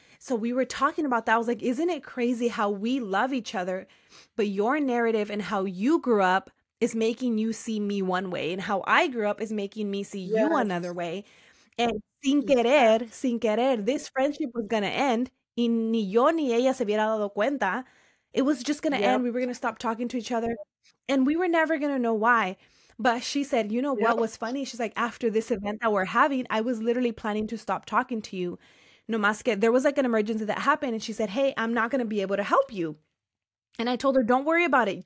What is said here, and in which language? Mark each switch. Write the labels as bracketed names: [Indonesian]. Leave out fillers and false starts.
[English] So we were talking about that. I was like, isn't it crazy how we love each other, but your narrative and how you grew up is making you see me one way, and how I grew up is making me see you another way. And [Spanish] sin querer, [English] this friendship was going to end. [Spanish] Y ni yo ni ella se hubiera dado cuenta. [English] It was just going to end. We were going to stop talking to each other. And we were never going to know why. But she said, you know what was funny? She's like, after this event that we're having, I was literally planning to stop talking to you. [Spanish] No más que, [English] there was like an emergency that happened. And she said, hey, I'm not going to be able to help you. And I told her, don't worry about it.